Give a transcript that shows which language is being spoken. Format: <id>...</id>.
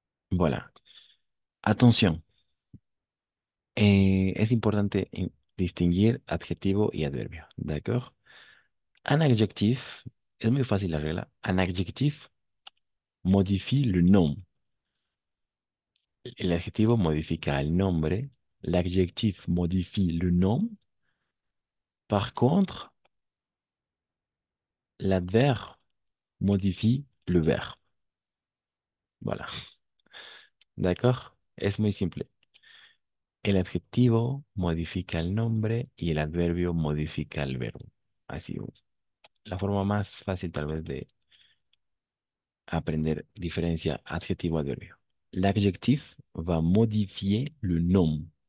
<es>Voilà. Attention. Es importante distinguir adjetivo y adverbio. ¿D'accord? Un adjectif, es muy fácil la regla.</es> <fr>Un adjectif modifie le nom.</fr> <es>El adjetivo modifica el nombre.</es> <fr>L'adjectif modifie le nom. Par contre, l'adverbe modifie le verbe. Voilà. ¿D'accord?</fr> <es>Es muy simple. El adjetivo modifica el nombre y el adverbio modifica el verbo. Así, la forma más fácil tal vez de aprender diferencia adjetivo-adverbio.</es> <fr>L'adjectif va modifier le nom.</fr>